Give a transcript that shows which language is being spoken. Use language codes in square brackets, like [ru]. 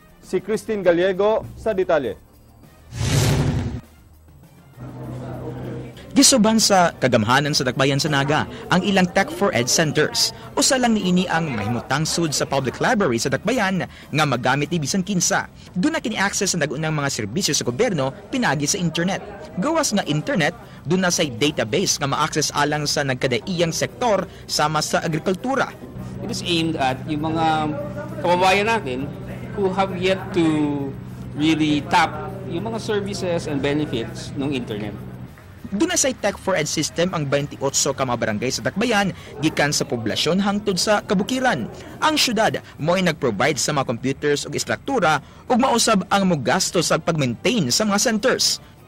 [ceb] Si Christine Gallego sa detalye. Gisuban sa kagamhanan sa Dakbayan sa Naga ang ilang Tech for Ed Centers. Usa lang niini ang mahimutang sud sa public library sa Dakbayan nga magamit ni bisan kinsa. Doon na kini-access ang nag-unang mga serbisyo sa gobyerno pinagi sa internet. Gawas nga internet, doon na sa database nga ma-access alang sa nagkadaiyang sektor sama sa agrikultura. [en] It is aimed at [tl] yung mga kababayan natin [en] who have yet to really tap yung mga services and benefits ng internet. [ceb] Duna sa Tech for Ed System ang 28 ka mga barangay sa Dakbayan gikan sa poblasyon hangtod sa kabukiran. Ang syudad mo ay nag-provide sa mga computers ug istruktura ug mausab ang mugasto sa pag-maintain sa mga centers.